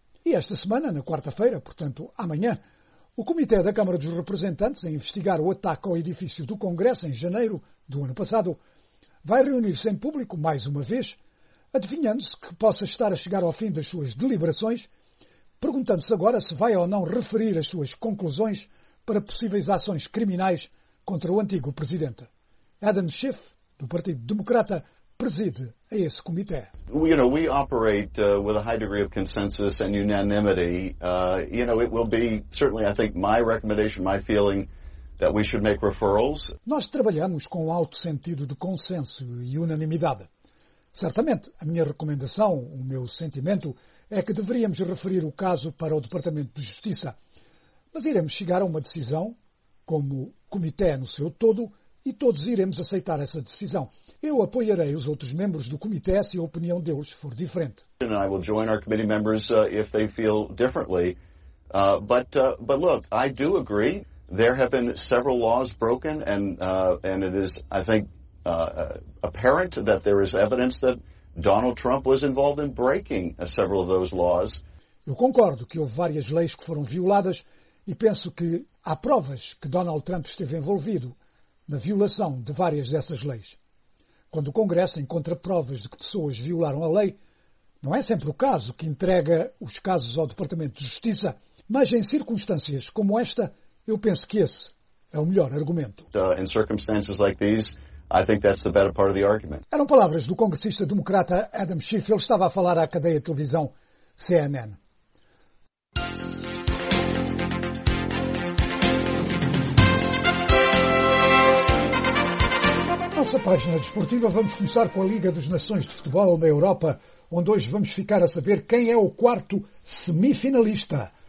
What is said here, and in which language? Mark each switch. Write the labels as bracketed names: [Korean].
[Portuguese] E esta semana, na quarta-feira, portanto amanhã, o Comitê da Câmara dos Representantes, a investigar o ataque ao edifício do Congresso em janeiro do ano passado, vai reunir-se em público mais uma vez, adivinhando-se que possa estar a chegar ao fim das suas deliberações, perguntando-se agora se vai ou não referir as suas conclusões para possíveis ações criminais contra o antigo presidente. Adam Schiff, do Partido Democrata, preside a esse comitê. [English] We operate with a high degree of consensus and unanimity. It will be certainly, I think, my recommendation, my feeling that we should make referrals. [Portuguese] Nós trabalhamos com um alto sentido de consenso e unanimidade. Certamente, a minha recomendação, o meu sentimento, é que deveríamos referir o caso para o Departamento de Justiça. Mas iremos chegar a uma decisão, como comitê no seu todo, e todos iremos aceitar essa decisão. Eu apoiarei os outros membros do comitê se a opinião deles for diferente. [English] And I will join our committee members if they feel differently. But look, I do agree. There have been several laws broken, and it is, I think, apparent that there is evidence that Donald Trump was involved in breaking several of those laws. [Portuguese] Eu concordo que houve várias leis que foram violadas e penso que há provas que Donald Trump esteve envolvido na violação de várias dessas leis. Quando o Congresso encontra provas de que pessoas violaram a lei, não é sempre o caso que entrega os casos ao Departamento de Justiça, mas em circunstâncias como esta, eu penso que esse é o melhor argumento. [English] In circumstances like these, I think that's the better part of the argument. [Portuguese] Eram palavras do congressista democrata Adam Schiff. Ele estava a falar à cadeia de televisão CNN. Nossa página desportiva, vamos começar com a Liga das Nações de Futebol na Europa, onde hoje vamos ficar a saber quem é o quarto semifinalista.